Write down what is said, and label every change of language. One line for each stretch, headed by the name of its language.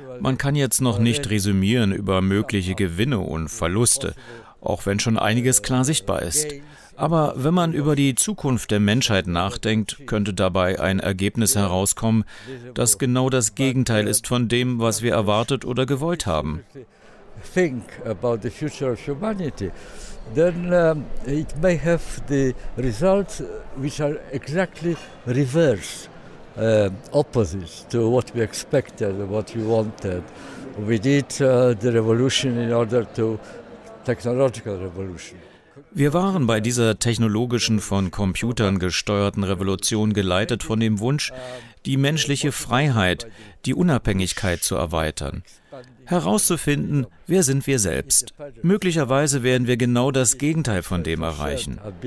German: Man kann jetzt noch nicht resümieren über mögliche Gewinne und Verluste, auch wenn schon einiges klar sichtbar ist. Aber wenn man über die Zukunft der Menschheit nachdenkt, könnte dabei ein Ergebnis herauskommen, das genau das Gegenteil ist von dem, was wir erwartet oder gewollt haben.
English: Think about the future of humanity, then it may have the results which are exactly reverse, opposite to what we expected, what we wanted. We did the revolution in order to technological revolution.
German: Wir waren bei dieser technologischen, von Computern gesteuerten Revolution geleitet von dem Wunsch, die menschliche Freiheit, die Unabhängigkeit zu erweitern. Herauszufinden, wer sind wir selbst. Möglicherweise werden wir genau das Gegenteil von dem erreichen.